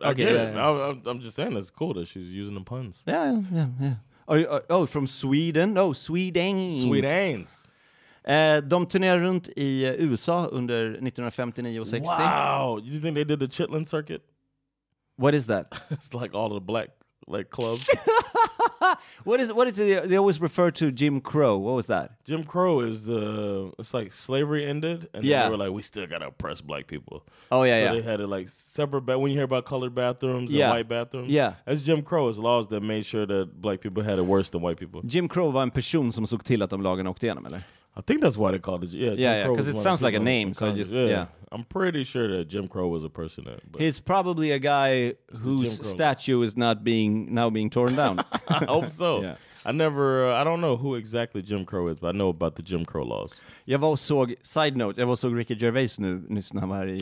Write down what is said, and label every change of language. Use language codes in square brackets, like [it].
[en] I'm just saying, it's cool that she's using the puns. Yeah. Oh, from Sweden? No, Swedanes. [sv] De turnerade runt i USA under 1959 och 60. [en] Wow, you think they did the Chitlin' circuit? What is that? It's like all the black like clubs. What is it? They always refer to Jim Crow. What was that? Jim Crow is the, it's like slavery ended. And yeah, then they were like, we still got to oppress black people. Oh, yeah. So yeah, they had it like separate, when you hear about colored bathrooms and white bathrooms. Yeah. That's Jim Crow, it's laws that made sure that black people had it worse than white people. [sv] Jim Crow var en person som såg till att de lagen åkte igenom, eller? [en] I think that's why they called it. Yeah, yeah, because it sounds like a name. So just, yeah. I'm pretty sure that Jim Crow was a person. That, but he's probably a guy whose statue is not being now being torn down. I hope so. Yeah. I don't know who exactly Jim Crow is, but I know about the Jim Crow laws. [sv] Jag var och såg, [en] side note, [sv] jag var och såg Ricky Gervais nu nyss när han var i,